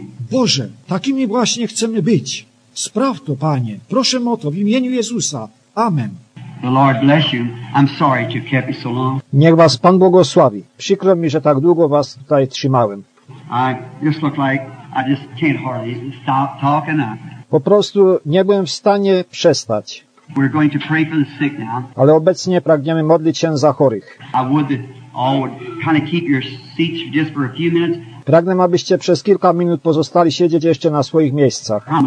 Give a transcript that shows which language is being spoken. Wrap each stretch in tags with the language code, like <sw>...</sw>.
<pl>Boże, takimi właśnie chcemy być. Spraw to, Panie. Proszę o to w imieniu Jezusa. Amen.</pl> <en>The Lord bless you. I'm sorry to have kept you so long.</en> <pl>Niech was Pan błogosławi. Przykro mi, że tak długo was tutaj trzymałem.</pl> <en>I just look like I just can't hardly stop talking.</en> <pl>Po prostu nie byłem w stanie przestać.</pl> <en>We're going to pray for the sick now.</en> <pl>Ale obecnie pragniemy modlić się za chorych.</pl> <en>I would all would kind of keep your seats just for a few minutes.</en> <pl>Pragnę, abyście przez kilka minut pozostali siedzieć jeszcze na swoich miejscach.</pl>